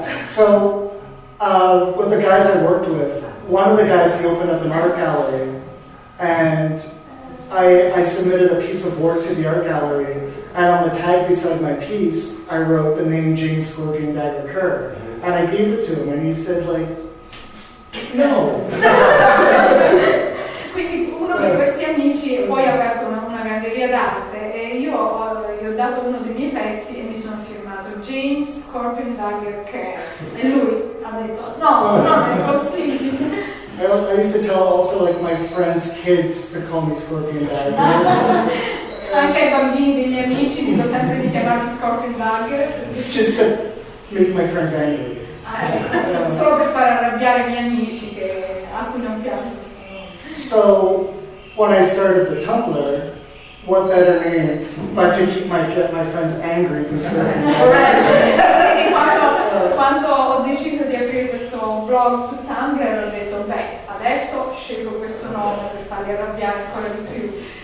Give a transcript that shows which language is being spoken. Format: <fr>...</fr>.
<en>So, with the guys I worked with, one of the guys, he opened up an art gallery, and I submitted a piece of work to the art gallery. And on the tag beside my piece, I wrote the name James Scorpion Dagger Kerr. And I gave it to him, and he said, like, no.</en> <it>Quindi uno di questi amici poi ha aperto una galleria d'arte, e io gli ho dato uno dei miei pezzi, e mi sono firmato James Scorpion Dagger Kerr. E lui ha detto, no, non è possibile.</it> <en>I used to tell also, like, my friends' kids to call me Scorpion Dagger.</en> <it>Anche ai bambini dei miei amici dico sempre di chiamarmi Scorpion Dagger.</it> <en>Just to make my friends angry.</en> <it>Solo per far arrabbiare i miei amici, che a cui non piace.</it> <en>So, when I started the Tumblr, what better name but to keep my friends angry than Scorpion Dagger?</en> <it>quando ho deciso di aprire questo blog su Tumblr, ho detto, beh, adesso scelgo questo nome per farli arrabbiare ancora di più.</it>